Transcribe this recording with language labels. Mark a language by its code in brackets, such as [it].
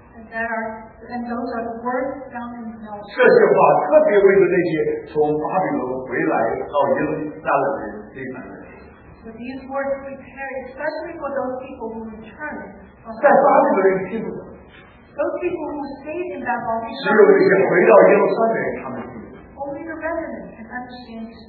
[en] and those are the words found in the notes. [zh] 这些话特别为了那些从巴比伦回来到耶路撒冷的那些人。 [en] But these words prepared especially for those people who returned from Babylon. Those people who stayed in Babylon. [zh] 只有那些回到耶路撒冷他们。 [en] Only the remnant can understand.